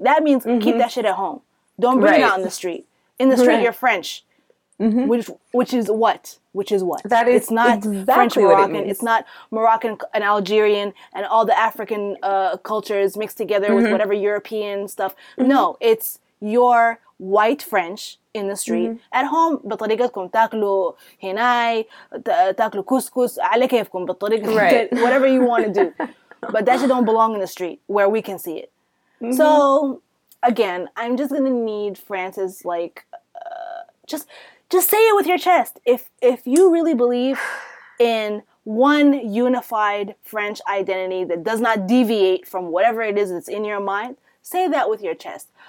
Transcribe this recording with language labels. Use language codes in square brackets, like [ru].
[en] That means keep that shit at home. Don't bring it out on the street. In the street, you're French. Mm-hmm. Which is what? That is French Moroccan. It's not Moroccan and Algerian and all the African cultures mixed together with whatever European stuff. Mm-hmm. No, it's your white French in the street. Mm-hmm. At home, [ar] بطريقتكم تاكلوا هناي تاكلوا كوسكوس على كيفكم بالطريقة [en] whatever you want to do. But that shit don't belong in the street where we can see it. Mm-hmm. So, again, I'm just going to need France's Just say it with your chest. If you really believe in one unified French identity that does not deviate from whatever it is that's in your mind, say that with your chest.